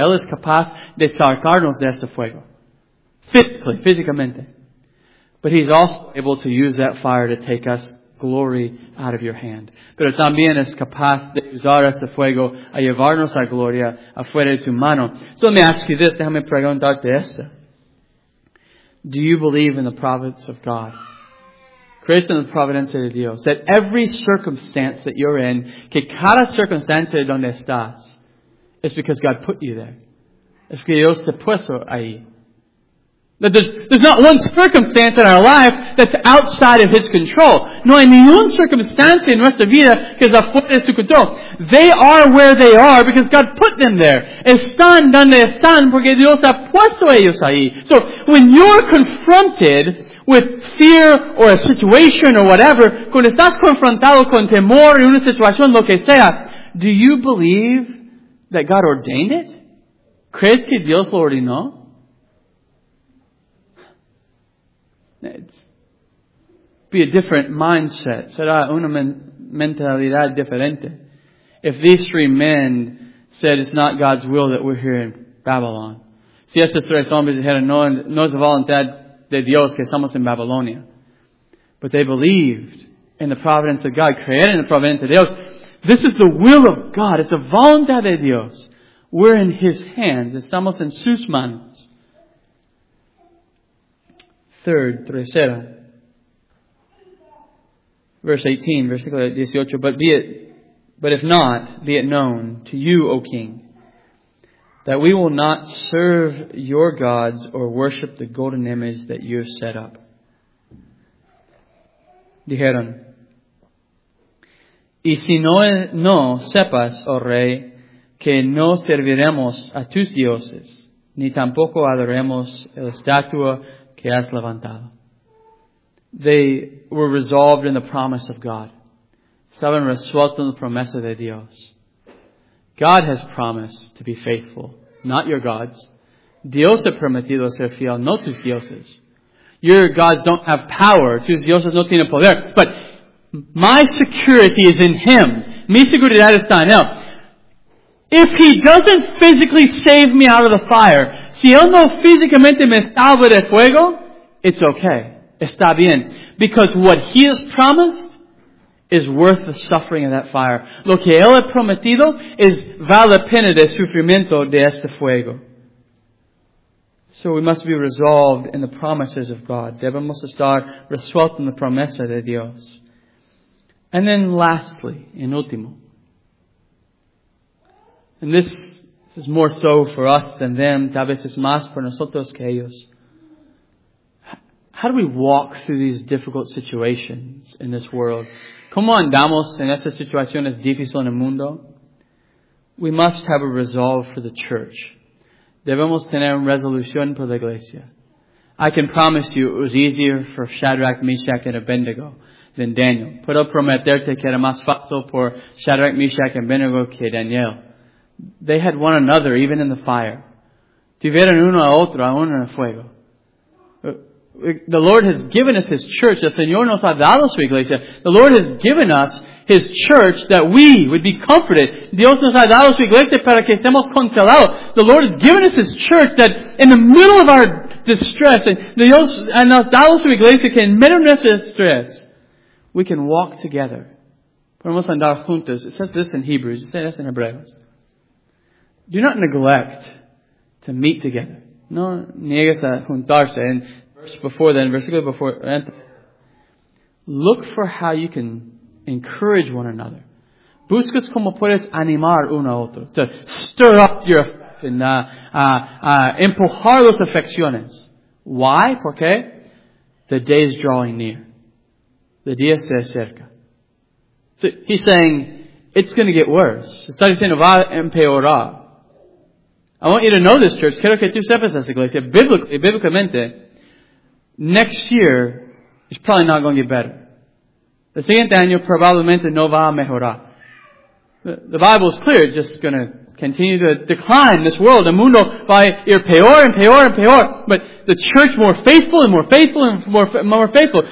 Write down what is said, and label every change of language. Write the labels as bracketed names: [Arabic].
[Spanish] Él es capaz de sacarnos de este fuego. Físicamente. [English] But He's also able to use that fire to take us glory out of your hand. [Spanish] Pero también es capaz de usar ese fuego a llevarnos a gloria afuera de tu mano. [English] So let me ask you this. [Spanish] Déjame preguntarte esto. [English] Do you believe in the providence of God? [Spanish] Crees en la providencia de Dios. [English] That every circumstance that you're in, [Spanish] que cada circunstancia donde estás, [English] is because God put you there. [Spanish] Es que Dios te puso ahí. [English] That there's not one circumstance in our life that's outside of His control. [Spanish] No hay ninguna circunstancia en nuestra vida que está fuera de su control. [English] They are where they are because God put them there. [Spanish] Están donde están porque Dios ha puesto ellos ahí. [English] So, when you're confronted with fear or a situation or whatever, [Spanish] cuando estás confrontado con temor en una situación, lo que sea, [English] do you believe that God ordained it? [Spanish] ¿Crees que Dios lo ordenó? [English] It'd be a different mindset. [Spanish] Será una mentalidad diferente. [English] If these three men said it's not God's will that we're here in Babylon. [Spanish] Si estos tres hombres dijeron no es la voluntad de Dios que estamos en Babilonia. [English] But they believed in the providence of God, created in the providence of Dios. This is the will of God. It's a [Spanish] voluntad de Dios. [English] We're in His hands. [Spanish] Estamos en sus manos. [English] Third, [Spanish] tercera. [English] Verse 18, [Spanish] versículo 18. [English] But if not, be it known to you, O King, that we will not serve your gods or worship the golden image that you have set up. [Spanish] Dijeron, y si no sepas, oh rey, que no serviremos a tus dioses, ni tampoco adoremos la estatua que has levantado. [English] They were resolved in the promise of God. [Spanish] Estaban resueltos en la promesa de Dios. [English] God has promised to be faithful, not your gods. [Spanish] Dios ha permitido ser fiel, no tus dioses. [English] Your gods don't have power. [Spanish] Tus dioses no tienen poder. [English] But my security is in Him. [Spanish] Mi seguridad está en Él. [English] If He doesn't physically save me out of the fire, [Spanish] si Él no físicamente me salva de fuego, [English] it's okay. [Spanish] Está bien. [English] Because what He has promised is worth the suffering of that fire. [Spanish] Lo que Él ha prometido es vale la pena del sufrimiento de este fuego. [English] So we must be resolved in the promises of God. [Spanish] Debemos estar resueltos en la promesa de Dios. [English] And then lastly, [Spanish] en último. [English] And this is more so for us than them. [Spanish] Tal vez es más por nosotros que ellos. [English] How do we walk through these difficult situations in this world? [Spanish] ¿Cómo andamos en estas situaciones difíciles en el mundo? [English] We must have a resolve for the church. [Spanish] Debemos tener una resolución por la iglesia. [English] I can promise you it was easier for Shadrach, Meshach, and Abednego than Daniel. [Spanish] Puedo prometerte que era más fácil por Shadrach, Meshach, and Abednego que Daniel. [English] They had one another even in the fire. [Spanish] Tuvieron uno a otro aún en el fuego. [English] The Lord has given us His church. [Spanish] El Señor nos ha dado su iglesia. [English] The Lord has given us His church that we would be comforted. [Spanish] Dios nos ha dado su iglesia para que estemos consolados. [English] The Lord has given us His church that in the middle of our distress, [Spanish] Dios nos ha dado su iglesia que en medio de nuestro estrés, [English] we can walk together. [Spanish] Podemos andar juntos. [English] It says this in Hebrews. It says this in Hebrews. Do not neglect to meet together. [Spanish] No niegues a juntarse. [English] And before then, versículo before, look for how you can encourage one another. [Spanish] Buscas cómo puedes animar uno a otro. [English] To stir up your affection. [Spanish] Empujar las afecciones. [English] Why? [Spanish] ¿Por qué? [English] The day is drawing near. [Spanish] The día se acerca. [English] So he's saying, it's going to get worse. [Spanish] Está diciendo, va a empeorar. [English] I want you to know this, church. [Spanish] Quiero que tú sepas esta iglesia. [English] Biblicamente, next year is probably not going to get better. [Spanish] The siguiente año probablemente no va a mejorar. [English] The Bible is clear. It's just going to continue to decline. [Spanish] This world, the mundo, va a ir peor and peor and peor. [English] But the church more faithful and more faithful and more faithful.